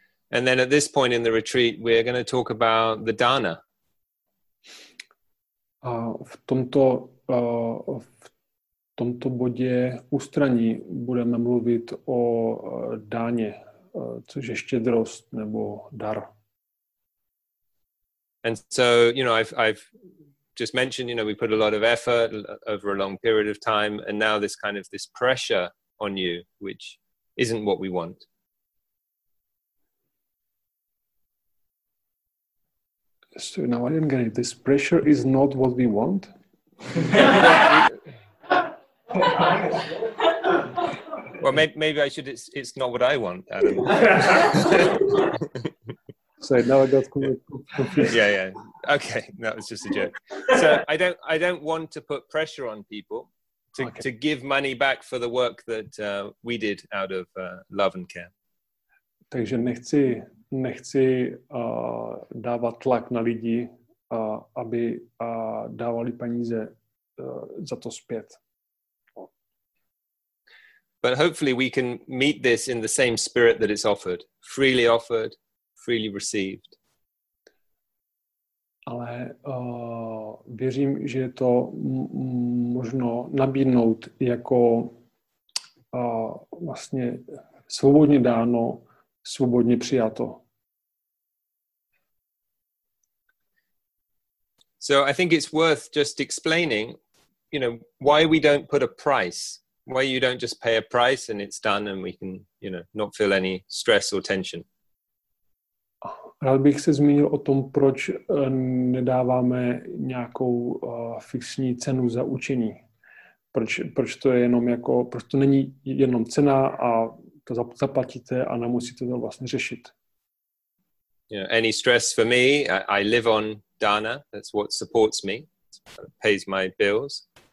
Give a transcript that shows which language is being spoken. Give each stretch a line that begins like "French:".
English: And then at this point in the retreat, we're going to talk about the dana.
Czech: A v tomto tomto bodě ústraní budeme mluvit o dáně, což je štědrost nebo dar.
English: And so, you know, I've just mentioned, you know, we put a lot of effort over a long period of time, and now this kind of this pressure on you, which isn't what we want. So now I didn't get it. This pressure is not what we want. Well, maybe I should. It's not what I want, Adam. So now I got confused. Yeah. Okay, that was just a joke. So I don't want to put pressure on people to give money back for the work that we did out of love and care.
Czech: Takže nechci dávat tlak na lidi, aby dávali peníze za to zpět.
English: But hopefully we can meet this in the same spirit that it's offered, freely offered, freely received.
Czech: Ale věřím, že je to možno nabídnout jako vlastně svobodně dáno, svobodně přijato.
English: So I think it's worth just explaining, you know, why we don't put a price, why you don't just pay a price and it's done and we can, you know, not feel any stress or tension.
Czech: Rád bych se zmínil o tom, proč nedáváme nějakou fixní cenu za učení. Proč to je jenom jako, proč to není jenom cena a to zaplatíte a nemusíte to vlastně řešit.
English: You know, any stress for me, I live on Dana, that's what supports me, pays my bills.